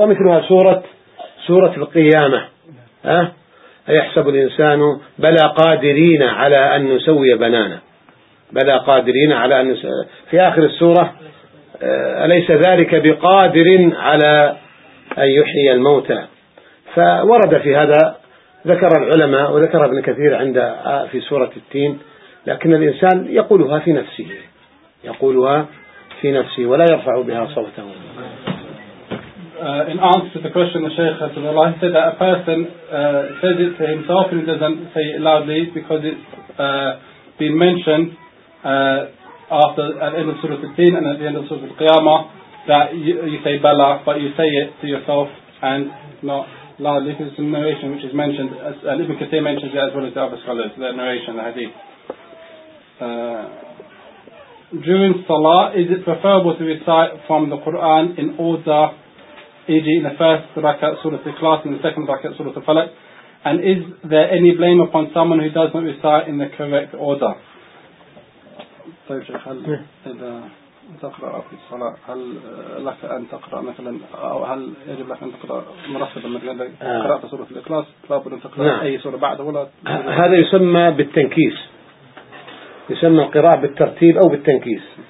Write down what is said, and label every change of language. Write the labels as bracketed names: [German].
[Arabic] ومثلها سورة القيامة، أيحسب الإنسان بلا قادرين على أن نسوي بنانه، بلا قادرين على أن في آخر السورة أليس ذلك بقادر على أن يحيي الموتى. فورد في هذا ذكر العلماء وذكر ابن كثير عند في سورة التين، لكن الإنسان يقولها في نفسه، يقولها في نفسه ولا يرفع بها صوته. [English] In answer to the question, the Shaykh has said, he said that a person says it to himself and he doesn't say it loudly because it's been mentioned after at the end of Surah 15 and at the end of Surah Al-Qiyamah that you say Bala, but you say it to yourself and not loudly. This is a narration which is mentioned, and Ibn Kathir mentions it as well as the other scholars, the narration, the hadith. During Salah, is it preferable to recite from the Quran in order, e.g. in the first rakat Surah Al-Ikhlas and the second rakat Surah Al-Falaq, and is there any blame upon someone who does not recite in the correct order? [Arabic] طيب شيخ، هل إذا تقرأ في الصلاة هل لك أن تقرأ مثلا، أو هل يجب لك أن تقرأ مرتبا مثلا قرأت سورة الإخلاص لابد أن تقرأ أي سورة بعد ولا؟ هذا يسمى بالتنكيس، يسمى القراءة بالترتيب أو بالتنكيس.